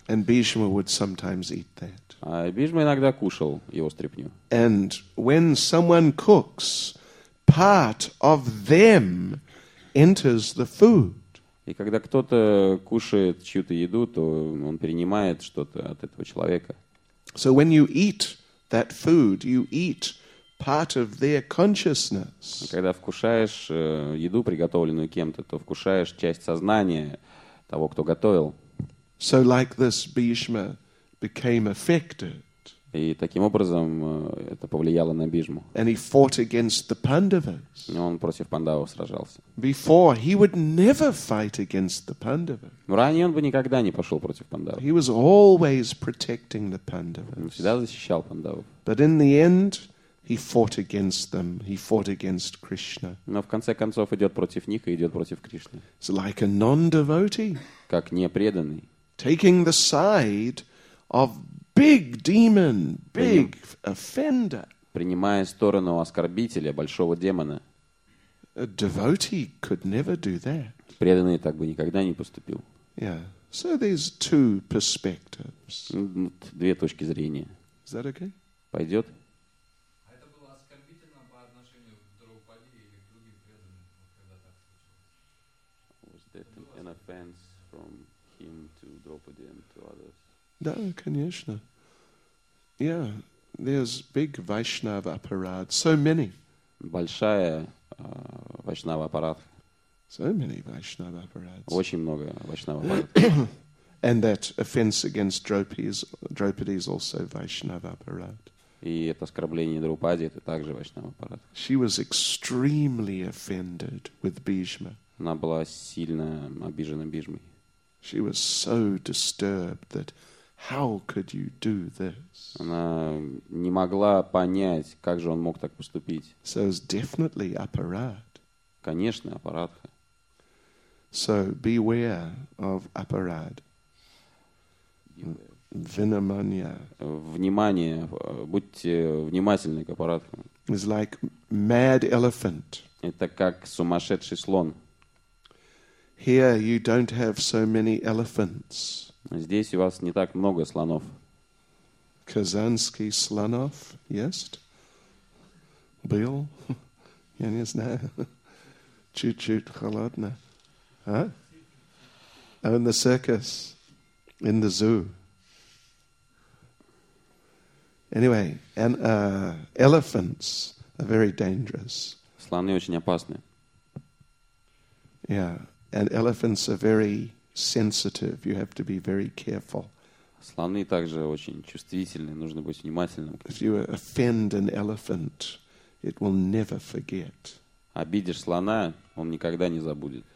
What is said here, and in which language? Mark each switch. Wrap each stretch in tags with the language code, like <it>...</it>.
<en>And Bhishma would sometimes eat that.</en> <ru>А Бхишма иногда кушал его стряпню.</ru> <en>And when someone cooks, part of them enters the food.</en> <ru>И когда кто-то кушает чью-то еду, то он перенимает что-то от этого человека.</ru> <en>So when you eat that food, you eat part of their consciousness.</en> <ru>Когда вкушаешь еду, приготовленную кем-то, то вкушаешь часть сознания того, кто готовил.</ru> <en>So like this, Bhishma became affected.</en> <ru>И таким образом это повлияло на Бхишму.</ru> <en>And he fought against the Pandavas.</en> <ru>И он против пандавов сражался.</ru> <en>Before he would never fight against the Pandavas.</en> <ru>Но ранее он бы никогда не пошел против пандавов.</ru> <en>He was always protecting the Pandavas.</en> <ru>Он всегда защищал пандавов.</ru> <en>But in the end, he fought against them. He fought against Krishna.</en> <ru>Но в конце концов идет против них и идет против Кришны.</ru> <en>It's like a non-devotee.</en> <ru>Как непреданный.</ru> <en>Taking the side of big demon, big offender.</en> <ru>Принимая сторону оскорбителя, большого демона.</ru> <en>A devotee could never do that.</en> <ru>Преданный так бы никогда не поступил.</ru> <en>Yeah. So there's two perspectives.</en> <ru>Две точки зрения.</ru> <en>Is that okay?</en> <ru>Пойдет? А это было оскорбительно по отношению к Драупаде или к другим преданным, вот когда так случилось?</ru> <en>Was that an offense from him to Draupadi and to others?</en> <ru>Да, конечно.</ru> <en>Yeah, there's big Vaishnava aparad. So many.</en> <ru>Большая Vaishnava aparad.</ru> <en>So many Vaishnava aparads.</en> <ru>Очень много Vaishnava aparad.</ru> <en>And that offense against Draupadi is also Vaishnava aparad.</en> <ru>И это оскорбление Драупади это также Vaishnava aparad.</ru> <en>She was extremely offended with Bhishma.</en> <ru>Она была сильно обижена Бхишмой.</ru> <en>She was so disturbed that how could you do this?</en> <ru>Она не могла понять, как же он мог так поступить.</ru> <en>So it's definitely aparad.</en> <ru>Конечно, апарадха.</ru> <en>So beware of aparad. Vinamanya.</en> <ru>Внимание, будьте внимательны к апарадхам.</ru> <en>It's like mad elephant.</en> <ru>Это как сумасшедший слон.</ru> <en>Here you don't have so many elephants.</en> <ru>Здесь у вас не так много слонов. Казанский слонов есть? Был? Я не знаю. Чуть-чуть холодно.</ru> <en>А? In the circus. In the zoo. Anyway, and elephants are very dangerous.</en> <ru>Слоны очень опасны.</ru> <en>Yeah. And elephants are very sensitive. You have to be very careful.</en> <ru>Слоны также очень чувствительны. Нужно быть внимательным.</ru> <en>If you offend an elephant, it will never forget.</en> <ru>Обидишь слона, он никогда не забудет.</ru>